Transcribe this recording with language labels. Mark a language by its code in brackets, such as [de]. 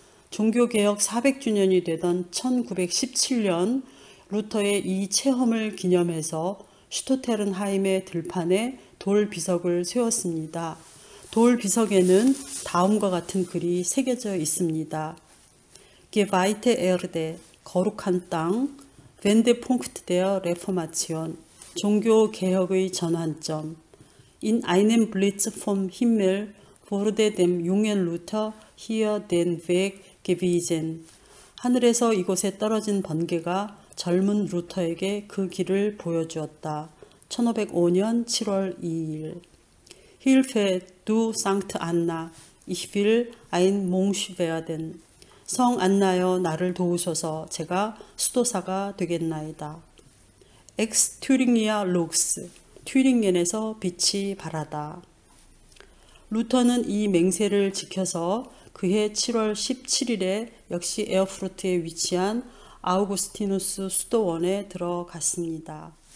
[ko] 종교개혁 400주년이 되던 1917년 루터의 이 체험을 기념해서 슈투테른하임의 들판에 돌비석을 세웠습니다. 돌비석에는 다음과 같은 글이 새겨져 있습니다. [de] Geweihte Erde, [ko] 거룩한 땅, [de] Wendepunkt der Reformation, [ko] 종교개혁의 전환점. [de] In einem Blitz vom Himmel wurde dem jungen Luther hier den Weg gewiesen. [ko] 하늘에서 이곳에 떨어진 번개가 젊은 루터에게 그 길을 보여주었다. 1505년 7월 2일. [de] Hilfe, du Sankt Anna, ich will ein Mönch werden. [ko] 성 안나여 나를 도우소서 제가 수도사가 되겠나이다. [la] Ex Thuringia Lux, [ko] 튜링겐에서 빛이 발하다. 루터는 이 맹세를 지켜서 그해 7월 17일에 역시 에어프루트에 위치한 아우구스티누스 수도원에 들어갔습니다.